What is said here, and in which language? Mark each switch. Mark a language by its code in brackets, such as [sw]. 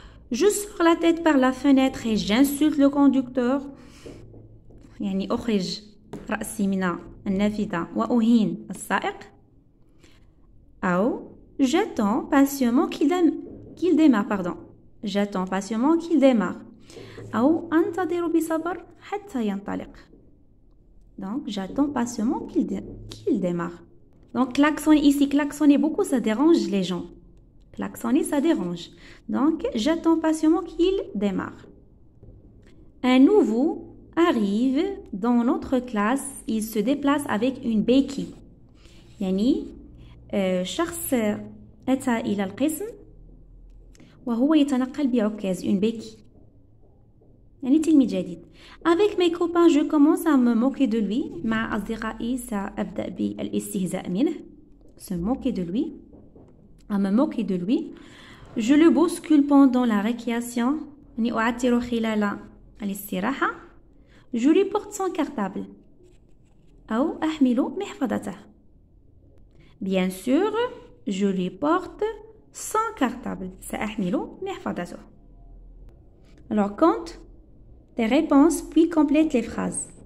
[fr] Je sors la tête par la fenêtre et j'insulte le conducteur. [ar] يعني أخرج رأسي من النافذة وأهين السائق. [fr] أو j'attends patiemment qu'il démarre. Pardon. J'attends patiemment qu'il démarre. [ar] أو أنتظر بصبر حتى ينطلق. [fr] Donc j'attends patiemment qu'il démarre. Donc klaxonner ici, klaxonner beaucoup, ça dérange les gens. Klaxonner, ça dérange. Donc j'attends patiemment qu'il démarre. Un nouveau arrive dans notre classe. Il se déplace avec une béquille. [ar] يعني شخص أتى إلى القسم وهو يتنقل بعكاز une béquille. يعني تلميذ جديد. [fr] Avec mes copains, je commence à me moquer de lui. [ar] مع أصدقائي سأبدأ بالاستهزاء منه. [fr] Se moquer de lui. À me moquer de lui. Je le bouscule pendant la récréation. [ar] يعني أعتره خلال الاستراحة. [fr] Je lui porte son cartable. [ar] أو أحمل محفظته. [fr] Bien sûr, je lui porte son cartable. [ar] سأحمل محفظته. [fr] Alors, quand tes réponses, puis complète les phrases.